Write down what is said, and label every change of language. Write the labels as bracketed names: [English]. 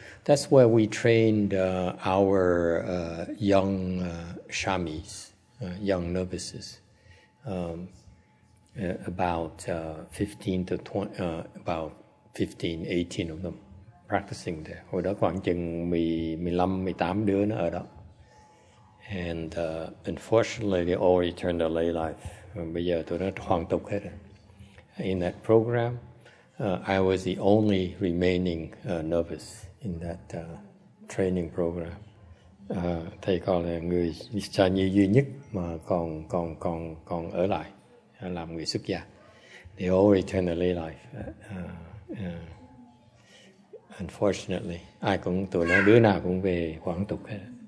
[English] That's where we trained our young shamis. Young novices, about 15, 18 of them practicing there. [Vietnamese] Hồi đó khoảng chừng 15, 18 đứa nó ở đó. [English] And unfortunately, they already turned to lay life. [Vietnamese] Bây giờ tụi nó hoàn tục hết rồi. [English] In that program, I was the only remaining novice in that training program. [Vietnamese] Thầy còn là người sa nhi duy nhất mà còn ở lại làm người xuất gia. [English] They all return to lay life. Unfortunately, [Vietnamese] ai cũng tụi nó đứa nào cũng về quản tục hết.